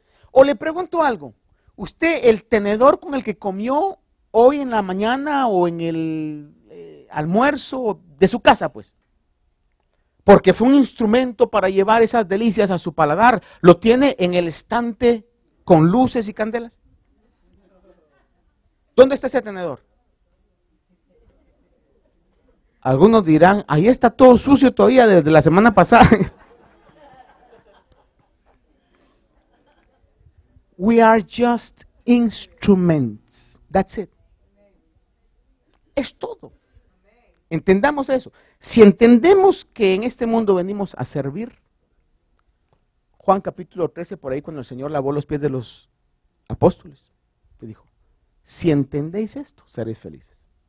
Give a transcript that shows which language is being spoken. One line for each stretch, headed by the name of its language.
Spanish: O le pregunto algo, usted, el tenedor con el que comió hoy en la mañana o en el almuerzo de su casa, pues, porque fue un instrumento para llevar esas delicias a su paladar, ¿lo tiene en el estante con luces y candelas? ¿Dónde está ese tenedor? Algunos dirán, ahí está todo sucio todavía desde la semana pasada.
English: We are just instruments. That's it.
Spanish: Es todo. Entendamos eso. Si entendemos que en este mundo venimos a servir, Juan capítulo 13, por ahí cuando el Señor lavó los pies de los apóstoles, le dijo, si entendéis esto, seréis felices.